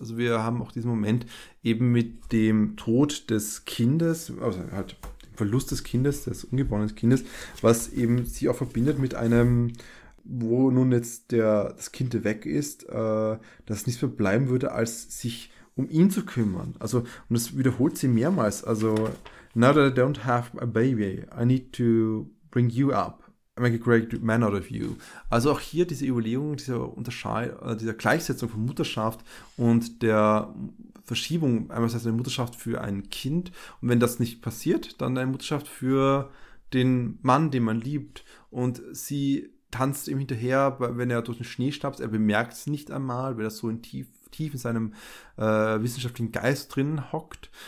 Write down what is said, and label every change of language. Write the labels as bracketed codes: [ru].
[de] Also wir haben auch diesen Moment eben mit dem Tod des Kindes, also halt dem Verlust des Kindes, des ungeborenen Kindes, was eben sie auch verbindet mit einem, wo nun jetzt das Kind weg ist, dass nichts mehr bleiben würde, als sich um ihn zu kümmern. Also, und das wiederholt sie mehrmals. [en] Also, now that I don't have a baby, I need to bring you up. I make a great man out of you. [de] Also auch hier diese Überlegung, dieser Gleichsetzung von Mutterschaft und der Verschiebung, einmal heißt eine Mutterschaft für ein Kind. Und wenn das nicht passiert, dann eine Mutterschaft für den Mann, den man liebt. Und sie tanzt ihm hinterher, wenn er durch den Schnee stapft. Er bemerkt es nicht einmal, weil er so tief in seinem wissenschaftlichen Geist drin hockt.